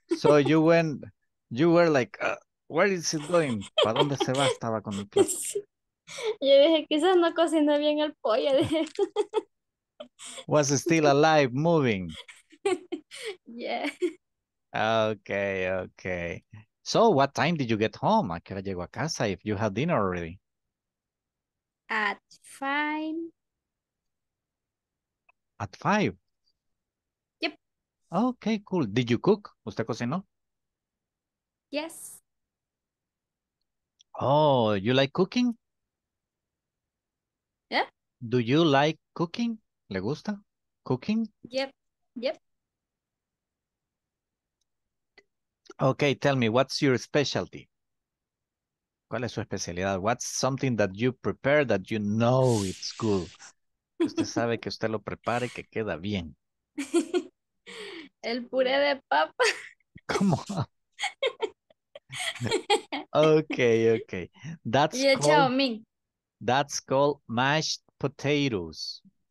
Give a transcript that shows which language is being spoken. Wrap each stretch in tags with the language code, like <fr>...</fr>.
<en>So you were like, where is it going?</en> <es>¿Para dónde se va? Estaba con el plato. Yo dije, quizás no cociné bien el pollo.</es> <en>Was still alive, moving. Yeah. Okay. So what time did you get home?</en> <es>¿A qué hora llego a casa</es> <en>if you had dinner already? At five. Yep. Okay, cool. Did you cook?</en> <es>¿Usted cocinó?</es> <en>Yes. Oh, you like cooking? Yeah. Do you like cooking?</en> <es>¿Le gusta</es> <en>cooking? Yep. Okay, tell me, what's your specialty?</en> <es>¿Cuál es su especialidad?</es> <en>What's something that you prepare that you know it's good?</en> <es>Usted sabe que usted lo prepare que queda bien. El puré de papa. ¿Cómo?</es> <en>Okay. That's</en> <es>y el chaomín.</es> <en>That's called mashed potatoes.</en>